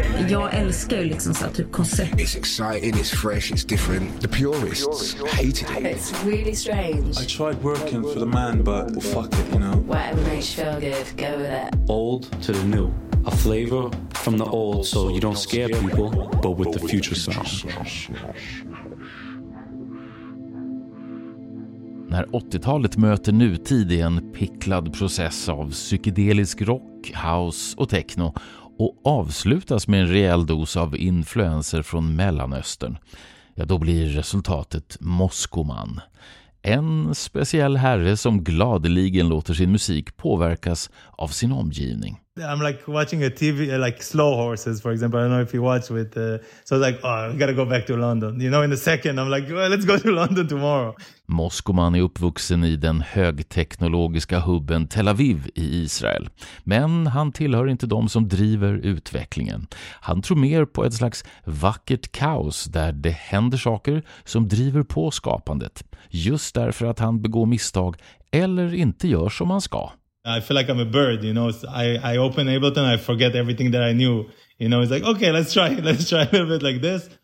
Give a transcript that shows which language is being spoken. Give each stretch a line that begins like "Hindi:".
Swedish: Jag älskar ju liksom så här typ koncept.
English: It's exciting, it's fresh, it's different. The purists hated it. It's really strange. I tried working for the man, but well, fuck it, you know. Whatever makes you feel good, go with it. Old to the new. A flavor from the old so you don't scare people, but with the future sound.
Swedish: När 80-talet möter nutid i en picklad process av psykedelisk rock, house och techno och avslutas med en rejäl dos av influenser från Mellanöstern, ja, då blir resultatet Moscoman. En speciell herre som gladeligen låter sin musik påverkas av sin omgivning.
English: I'm like watching a TV, like Slow Horses, for example. I don't know if you watch with... So I was like, oh, I gotta go back to London. You know, in a second, I'm like, well, let's go to London tomorrow.
Swedish: Moscoman är uppvuxen i den högteknologiska hubben Tel Aviv i Israel. Men han tillhör inte de som driver utvecklingen. Han tror mer på ett slags vackert kaos där det händer saker som driver på skapandet. Just därför att han begår misstag eller inte gör som han ska.
English: I feel like I'm a bird, you know. I open Ableton, I forget everything that I knew. You know, it's like, okay, let's try a little bit like this.